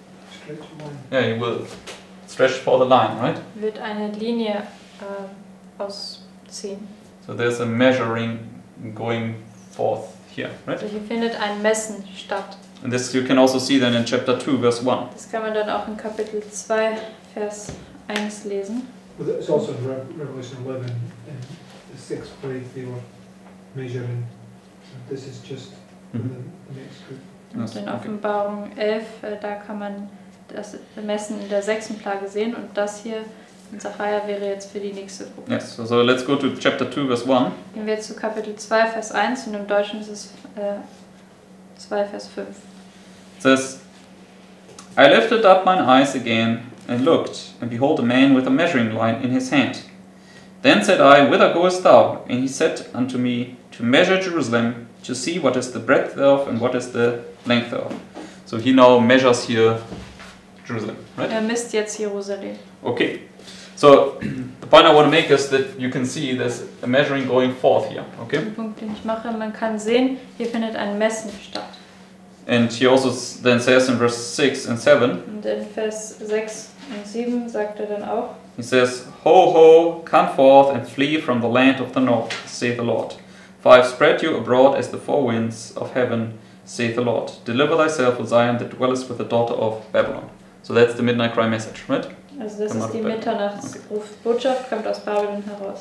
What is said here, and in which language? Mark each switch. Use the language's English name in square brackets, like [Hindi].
[English] Stretch a line. Yeah, he will stretch forth a line, right? [German] Wird eine Linie ausziehen. [English] So there's a measuring going forth here, right? [German] Also hier findet ein Messen statt. [English] And this you can also see then in chapter 2, verse 1. [German] Das kann man dann auch in Kapitel 2, Vers 1 lesen. [English] But it's also in Revelation 11, in the sixth plague, they were measuring. So this is just the next group. [German] Und in Offenbarung 11, da kann man das Messen in der sechsten Plage sehen. Und das hier in Zechariah wäre jetzt für die nächste Gruppe. [English] Yes, so let's go to chapter 2, verse 1. [German] Gehen wir jetzt zu Kapitel 2, Vers 1. Und im Deutschen ist es 2, Vers 5. [English] It says, I lifted up mine eyes again and looked, and behold a man with a measuring line in his hand. Then said I, whither goest thou? And he said unto me, to measure Jerusalem, to see what is the breadth thereof and what is the length thereof. So he now measures here Jerusalem, right? [German] Er misst jetzt Jerusalem. [English] Okay. So the point I want to make is that you can see there's a measuring going forth here, okay? [German] Den Punkt, den ich mache, man kann sehen, hier findet ein Messen statt. [English] And he also then says in verse 6 and 7. [German] Und in Vers 6 und 7 sagt dann auch. [English] He says, ho, ho, come forth and flee from the land of the north, saith the Lord. For I have spread you abroad as the four winds of heaven, saith the Lord. Deliver thyself, O Zion, that dwellest with the daughter of Babylon. So that's the midnight cry message, right? [German] Also das ist die Mitternachtsrufbotschaft, kommt aus Babylon heraus.